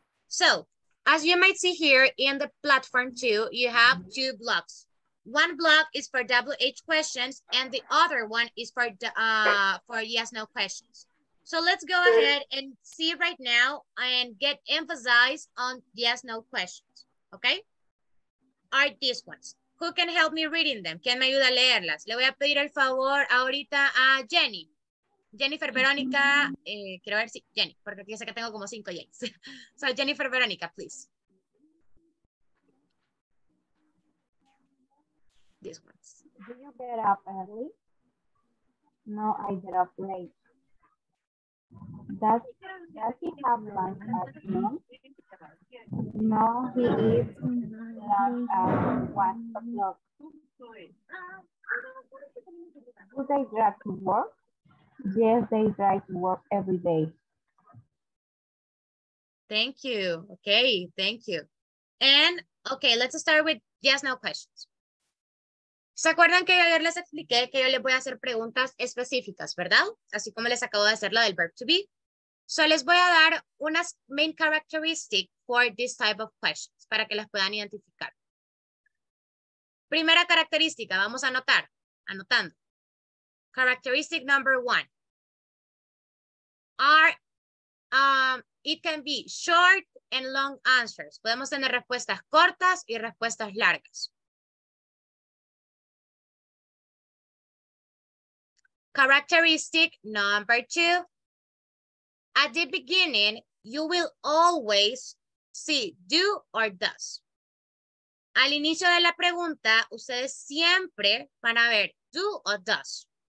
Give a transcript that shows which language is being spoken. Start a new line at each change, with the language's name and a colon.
English: So, as you might see here in the platform too, you have two blocks. One block is for WH questions and the other one is for yes, no questions. So let's go ahead and see right now and get emphasized on yes, no questions. Okay? Are these ones. Who can help me reading them?
Spanish: ¿Quién me ayuda a leerlas? Le voy a pedir el favor ahorita a Jenny. Jennifer Verónica, quiero ver si, Jenny, porque yo sé que tengo como cinco Jennys.
English: So Jennifer Verónica, please. These ones. Do you get up early? No, I get up late. Does he have lunch at noon? No, he eats lunch at 1 o'clock. Do they drive to work? Yes, they drive to work every day. Thank you. Okay, thank you. And, okay, let's start with yes, no questions.
Spanish: ¿Se acuerdan que ayer les expliqué que yo les voy a hacer preguntas específicas, verdad? Así como les acabo de hacer la del verb to be. So, les voy a dar unas
English: main characteristics for this type of questions
Spanish: para que las puedan identificar. Primera característica, vamos a anotar, anotando.
English: Characteristic number one. It can be short and long answers.
Spanish: Podemos tener respuestas cortas y respuestas largas.
English: Characteristic number two. At the beginning, you will always see do or does.
Spanish: Al inicio de la pregunta, ustedes siempre van a ver do o does.